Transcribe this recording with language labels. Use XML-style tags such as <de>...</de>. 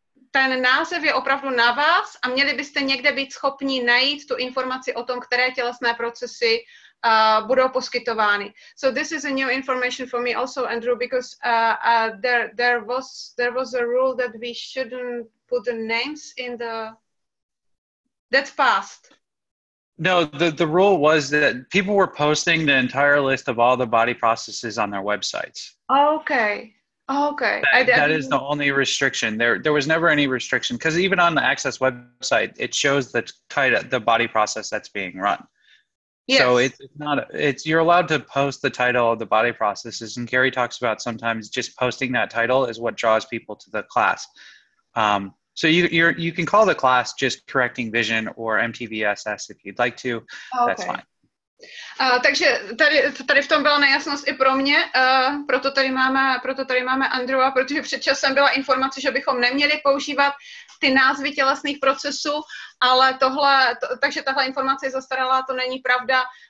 <cs>Ten název je opravdu na vás a měli byste někde být schopni najít tu informaci o tom, které tělesné procesy budou poskytovány.</cs> <en>So this is a new information for me also, Andrew, because there was a rule that we shouldn't put the names in the... That's past. No, the rule was that people were posting the entire list of all the body processes on their websites. Okay. That is the only restriction. There was never any restriction, because even on the Access website, it shows the title, the body process that's being run. Yes. So it's not, you're allowed to post the title of the body processes, and Gary talks about sometimes just posting that title is what draws people to the class. So you can call the class just correcting vision or MTVSS if you'd like to. Okay. That's fine.</en> <cs>Takže tady v tom byla nejasnost i pro mě, proto tady máme Andrewa, protože před časem byla informace, že bychom neměli používat ty názvy tělesných procesů, ale takže tahle informace je zastaralá, to není pravda.</cs>